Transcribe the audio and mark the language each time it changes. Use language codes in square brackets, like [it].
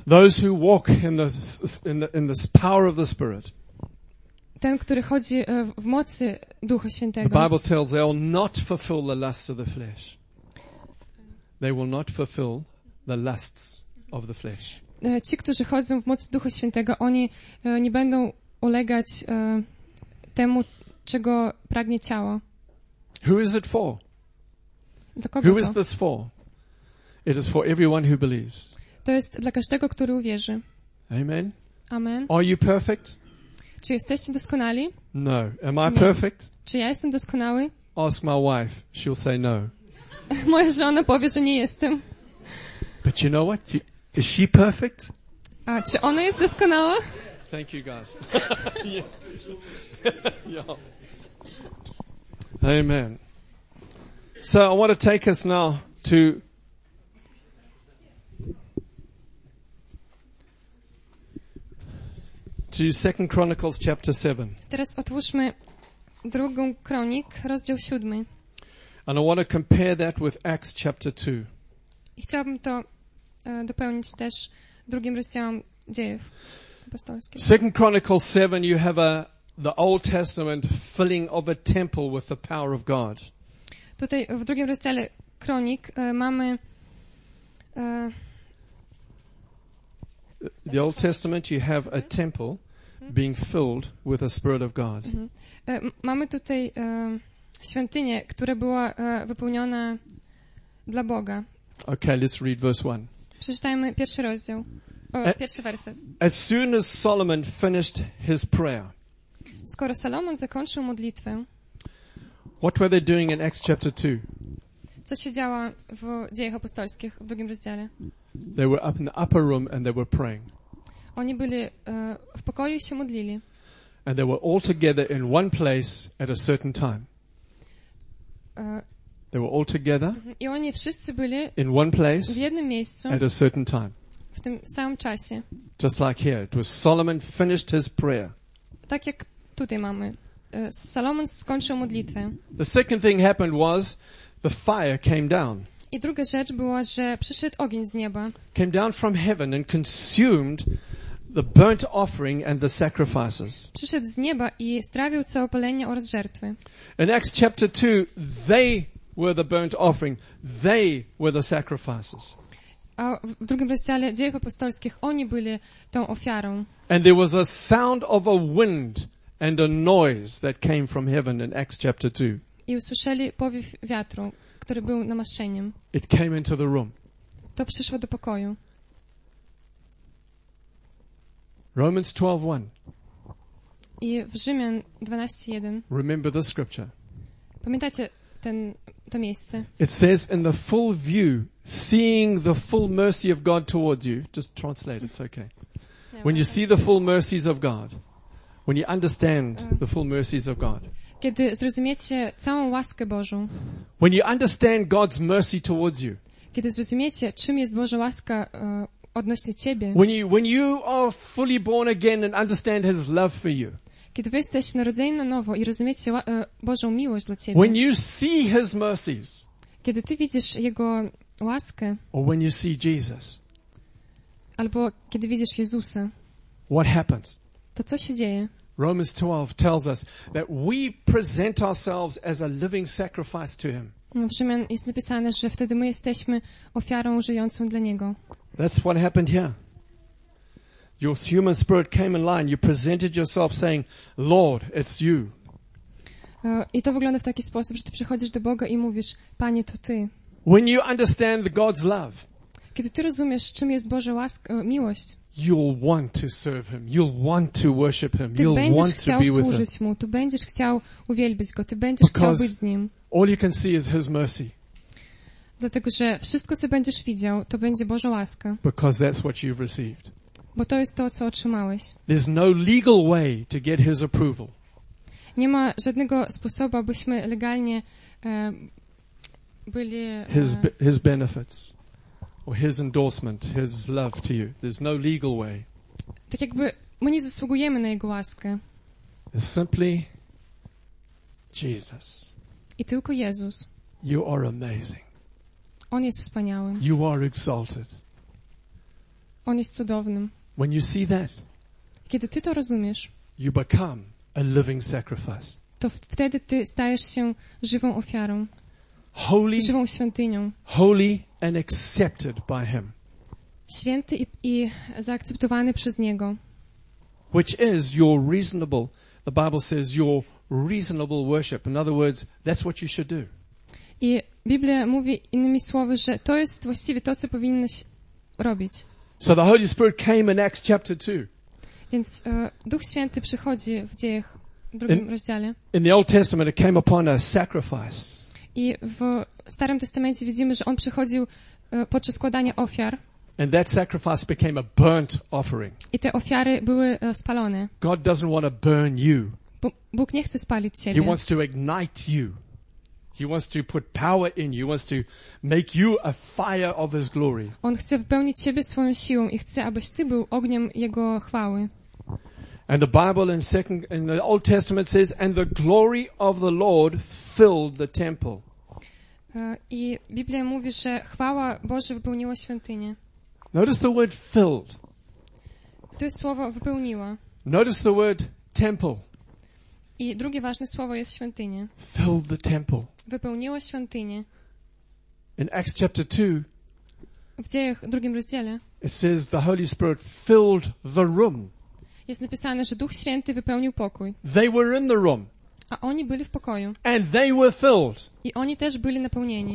[en] Those who walk in the power of the Spirit. [pl] Ten, który chodzi w mocy Ducha Świętego. [en] The Bible tells they will not fulfill the lusts of the flesh. They will not fulfill the lusts of the flesh. [pl] Ci, którzy chodzą w mocy Ducha Świętego, oni nie będą ulegać temu, czego pragnie ciało. [en] Who is it for? [pl] Dla kogo [en] who [pl] to? [en] Is this for? It is for everyone who believes. [pl] To jest dla każdego, który uwierzy. [en] Amen. [pl] Amen. [en] Are you perfect? [pl] Czy jesteście doskonali? [en] No. Am I [pl] nie. [en] perfect? [pl] Czy ja jestem doskonały? [en] Ask my wife. She'll say no. [pl] Moja żona powie, że nie jestem. [en] But you know what? Is she perfect? [pl] A czy ona jest doskonała? [en] Thank you guys. Yeah. Amen. So I want to take us now to Second Chronicles chapter 7. [pl] Teraz otwórzmy drugą Kronik, rozdział 7. [en] And I want to compare that with Acts chapter 2. [pl] I chciałbym to dopełnić też drugim rozdziałem Dziejów Apostolskich. [en] Second Chronicles 7, you have the Old Testament filling of a temple with the power of God. [pl] Tutaj w drugim rozdziale Kronik mamy [en] the Old Testament, you have a temple being filled with the Spirit of God. [pl] Mamy tutaj świątynię, która była wypełniona dla Boga. [en] Okay, let's read verse 1. [pl] Przeczytajmy pierwszy rozdział, pierwszy werset. [en] As soon as Solomon finished his prayer. [pl] Skoro Salomon zakończył modlitwę. [en] What were they doing in Acts chapter 2? [pl] Co się działo w Dziejach Apostolskich w drugim rozdziale? [en] They were up in the upper room and they were praying. [pl] Oni byli w pokoju i się modlili. [en] And they were all together in one place at a certain time. They were all together. [pl] I oni wszyscy byli [en] in one place [pl] w jednym miejscu [en] at a certain time. [pl] W tym samym czasie. [en] Just like here, it was Solomon finished his prayer. [pl] Tak jak tutaj mamy. Salomon skończył modlitwę. [en] The second thing happened was the fire came down. [pl] I druga rzecz była, że przyszedł ogień z nieba. [en] Came down from heaven and consumed the burnt offering and the sacrifices. [pl] Przyszedł z nieba i strawił całe palenie oraz żertwy. [en] In Acts chapter 2, they were the burnt offering. They were the sacrifices. [pl] A w drugim rozdziale Dziejów Apostolskich oni byli tą ofiarą. [en] And there was a sound of a wind and a noise that came from heaven in Acts chapter 2. [pl] I usłyszeli powiew wiatru, który był namaszczeniem. [en] It came into the room. [pl] To przyszło do pokoju. [en] Romans 12:1. [pl] I w Rzymian 12:1. [en] Remember the scripture. [pl] Pamiętacie ten to miejsce? [en] It says in the full view, seeing the full mercy of God towards you. Just translate, it's okay. When you see the full mercies of God, when you understand the full mercies of God. [pl] Kiedy zrozumiecie całą łaskę Bożą. [en] When you understand God's mercy towards you. [pl] Kiedy zrozumiecie, czym jest Boża łaska odnośnie ciebie. [en] When you are fully born again and understand his love for you. [pl] Kiedy wy jesteś narodzeni na nowo i rozumiecie Bożą miłość dla ciebie. [en] When you see his mercies. [pl] Kiedy ty widzisz jego łaskę. [en] Or when you see Jesus. [pl] Albo kiedy widzisz Jezusa. [en] What happens? [pl] To co się dzieje? [en] Romans 12 tells us that we present ourselves as a living sacrifice to him. [pl] W Rzymian jest napisane, że wtedy my jesteśmy ofiarą żyjącą dla niego. [en] That's what happened here. Your human spirit came in line. You presented yourself saying, Lord, it's you. [pl] I to wygląda w taki sposób, że ty przychodzisz do Boga i mówisz, Panie, to ty. [en] When you understand the God's love. [pl] Kiedy ty rozumiesz, czym jest Boża łaska, miłość. [en] You'll want to serve him. You'll want to worship him. [pl] Ty [en] you'll want to be with [pl] służyć [en] him. [pl] Mu. Ty będziesz chciał uwielbić go. Ty będziesz [en] Because [pl] chciał być z nim. [en] All you can see is his mercy. [pl] Dlatego, że wszystko, co będziesz widział, to będzie Boża łaska. [en] Because that's what you've received. [pl] Bo to jest to, co otrzymałeś. [en] There's no legal way to get his approval. [pl] Nie ma żadnego sposobu, abyśmy legalnie byli [en] his benefits. Or his endorsement, his love to you. There's no legal way. [pl] Tak jakby my nie zasługujemy na jego łaskę. [en] It's simply Jesus. [pl] I tylko Jezus. [en] You are amazing. [pl] On jest wspaniały. [en] You are exalted. [pl] On jest cudownym. [en] When you see that, [pl] kiedy ty to rozumiesz, [en] you become a living sacrifice. [pl] To wtedy ty stajesz się żywą ofiarą. [en] Holy, [pl] żywą świątynią. [en] Holy and accepted by him. [pl] Święty i zaakceptowany przez niego. [en] Which is your reasonable, the Bible says, your reasonable worship. In other words, that's what you should do. [pl] I Biblia mówi innymi słowy, że to jest właściwie to, co powinieneś robić. [en] So the Holy Spirit came in Acts chapter 2. [pl] Więc Duch Święty przychodzi w Dziejach w drugim rozdziale. [en] In the Old Testament it came upon a sacrifice. [pl] I w Starym Testamencie widzimy, że on przychodził podczas składania ofiar. [en] And that sacrifice became a burnt offering. [pl] I te ofiary były spalone. [en] God doesn't want to burn you. [pl] Bóg nie chce spalić ciebie. [en] He wants to ignite you. He wants to put power in you. He wants to make you a fire of his glory. [pl] On chce wypełnić ciebie swoją siłą i chce, abyś ty był ogniem jego chwały. [en] And the Bible in the Old Testament says, and the glory of the Lord filled the temple. [pl] I Biblia mówi, że chwała Boża wypełniła świątynię. [en] Notice the word filled. [pl] To jest słowo wypełniła. [en] Notice the word temple. [pl] I drugie ważne słowo jest świątynie. [en] Filled the temple. [pl] Wypełniło świątynię. [en] In Acts chapter 2. [pl] W Dziejach w drugim rozdziale. [en] It says the Holy Spirit filled the room. [pl] Jest napisane, że Duch Święty wypełnił pokój. [en] They were in the room. [pl] A oni byli w pokoju. [en] And they were filled. [pl] I oni też byli napełnieni.